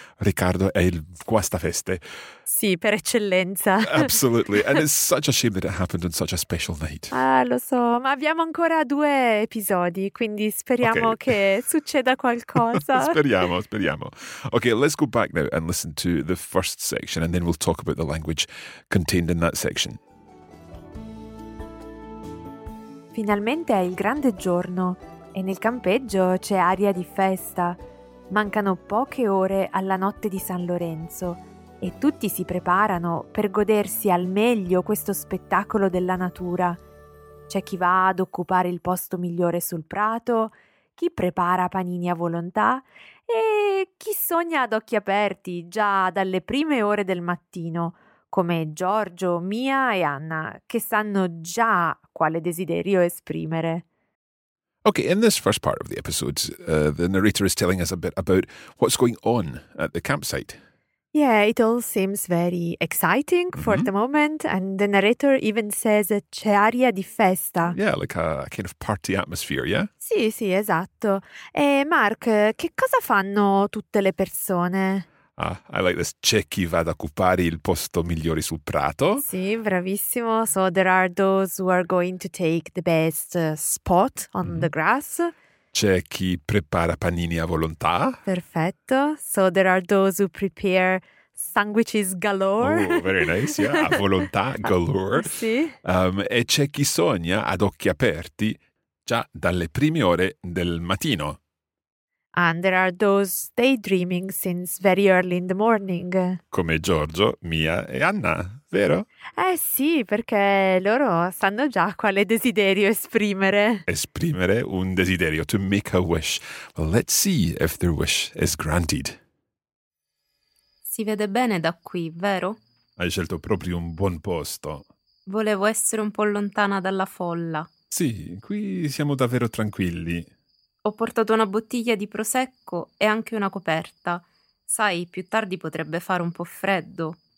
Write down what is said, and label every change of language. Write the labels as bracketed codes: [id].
[it] Riccardo è il guastafeste. Sì, per eccellenza. [en] Absolutely. And it's such a shame that it happened on such a special night. [it] Ah, lo so, ma abbiamo ancora due episodi, quindi speriamo okay. che succeda qualcosa. Speriamo, speriamo. [en] Okay, let's go back now and listen to the first section and then we'll talk about the language contained in that section. [it] Finalmente è il grande giorno e nel campeggio c'è aria di festa. Mancano poche ore alla notte di San Lorenzo e tutti si preparano per godersi al meglio questo spettacolo della natura. C'è chi va ad occupare il posto migliore sul prato, chi prepara panini a volontà e chi sogna ad occhi aperti già dalle prime ore del mattino, come Giorgio, Mia e Anna, che sanno già quale desiderio esprimere. [en] Okay, in this first part of the episode, the narrator is telling us a bit about what's going on at the campsite. Yeah, it all seems very exciting mm-hmm. for the moment, and the narrator even says [it] c'è aria di festa. [en] Yeah, like a kind of party atmosphere, yeah? [it] Sì, sì, esatto. E Mark, che cosa fanno tutte le persone? [en] Ah, I like this. [it] C'è chi vada a occupare il posto migliore sul prato. Sì, bravissimo. [en] So there are those who are going to take the best spot on the grass. [it] C'è chi prepara panini a volontà. Perfetto. [en] So there are those who prepare sandwiches galore. Oh, very nice. Yeah, [it] a volontà [en] galore. [it] Sì. E c'è chi sogna ad occhi aperti già dalle prime ore del mattino. [en] And there are those daydreaming since very early in the morning. [it] Come Giorgio, Mia e Anna, vero? Eh sì, perché loro sanno già quale desiderio esprimere. Esprimere un desiderio, [en] to make a wish. Well, let's see if their wish is granted. [it] Si vede bene da qui, vero? Hai scelto proprio un buon posto. Volevo essere un po' lontana dalla folla. Sì, qui siamo davvero tranquilli. Ho portato una bottiglia di prosecco e anche una coperta. Sai, più tardi potrebbe fare un po' freddo.